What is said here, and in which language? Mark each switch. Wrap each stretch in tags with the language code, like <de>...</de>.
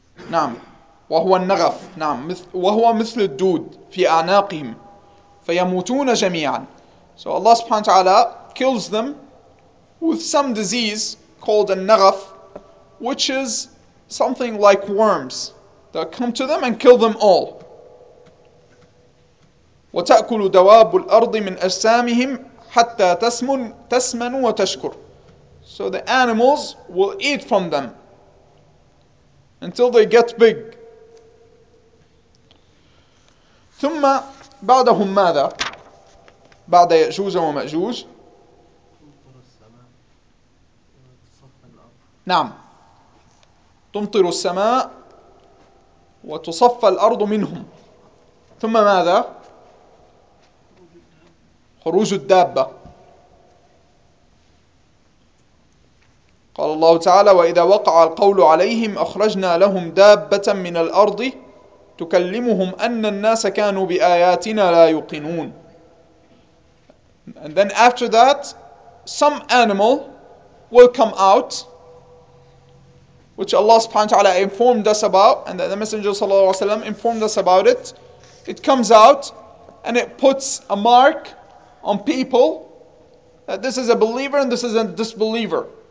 <ar>نعم، وهو النغف. نعم، وهو مثل الدود في أعناقهم، فيموتون جميعا.</ar> <en>So Allah</en> <ar>سبحانه وتعالى</ar> <en>kills them with some disease called a naghaf, which is something like worms that come to them and kill them all.</en> <ar>وتأكل دواب الأرض من أجسامهم حتى تسمن وتشكر.</ar> <en>So the animals will eat from them until they get big.</en> <ar>ثم بعدهم ماذا؟ بعد يأجوج ومأجوج. نعم. تمطر السماء وتصفى الأرض منهم. ثم ماذا؟ خروج الدابة. قال الله تعالى: وإذا وقع القول عليهم أخرجنا لهم دابة من الأرض تكلمهم أن الناس كانوا بآياتنا لا يوقنون.</ar> <en>And then after that, some animal will come out, which Allah subhanahu wa ta'ala informed us about, and the Messenger sallallahu alayhi wa sallam informed us about it. It comes out and it puts a mark on people that this is a believer and this is a disbeliever.</en>